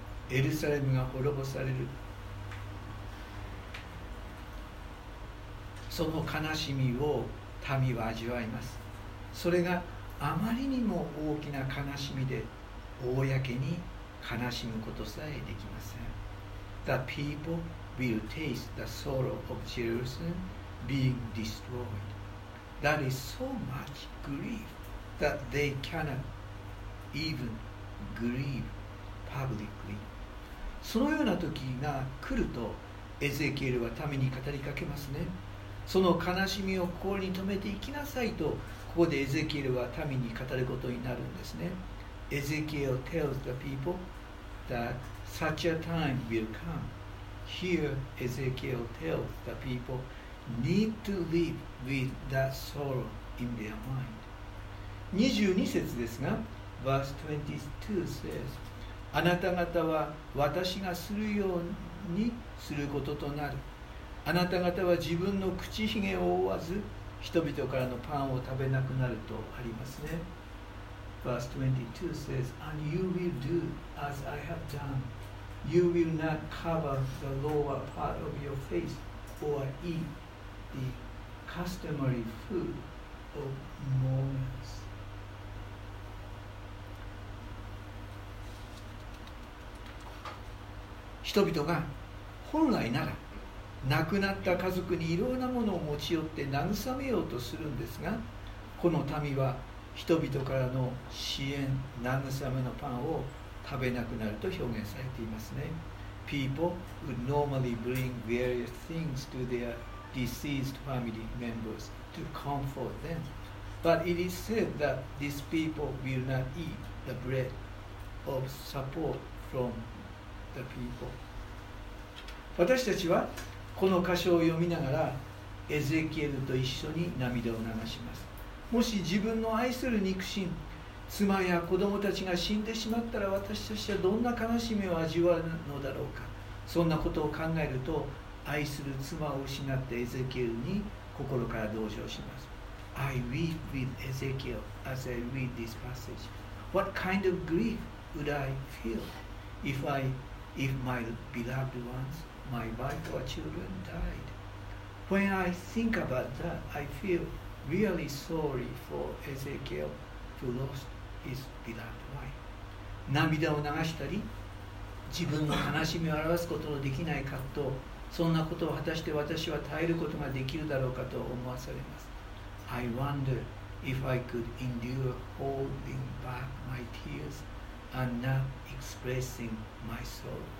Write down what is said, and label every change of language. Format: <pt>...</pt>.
<ja>エルサレムが滅ぼされる、その悲しみを民は味わいます。それがあまりにも大きな悲しみで、公に悲しむことさえできません。</ja> <en>The people will taste the sorrow of Jerusalem being destroyed. That is so much grief that they cannot even grieve publicly.</en> <ja>そのような時が来るとエゼキエルは民に語りかけますね。その悲しみを心に留めていきなさいと、ここでエゼキエルは民に語ることになるんですね。</ja> <en>Ezekiel tells the people that such a time will come. Here Ezekiel tells the people need to live with that sorrow in their mind.</en> <ja>22節ですが、</ja> <en>verse 22 says,</en> <ja>あなた方は私がするようにすることとなる。あなた方は自分の口ひげを覆わず、人々からのパンを食べなくなるとありますね。</ja> <en>Verse 22 says, And you will do as I have done. You will not cover the lower part of your face or eat the customary food of mourners.</en> <ja>People が本来なら亡くなった家族にいろんなものを持ち寄って慰めようとするんですが、この民は人々からの支援、慰めのパンを食べなくなると表現されていますね。</ja> <en>People would normally bring various things to their deceased family members to comfort them. But it is said that these people will not eat the bread of support from the people.</en> <ja>私たちはこの箇所を読みながらエゼキエルと一緒に涙を流します。もし自分の愛する肉親、妻や子供たちが死んでしまったら、私たちはどんな悲しみを味わうのだろうか。そんなことを考えると、愛する妻を失ったエゼキエルに心から同情します。</ja> <en>I weep with Ezekiel as I read this passage. What kind of grief would I feel if my beloved ones, my wife or children died? When I think about that, I feelReally sorry for Ezekiel who lost his beloved wife.</en> <ja>涙を流したり、自分の悲しみを表すことのできない葛藤、そんなことを果たして私は耐えることができるだろうかと思わされます。</ja> <en>I wonder if I could endure holding back my tears and not expressing my sorrows.</en>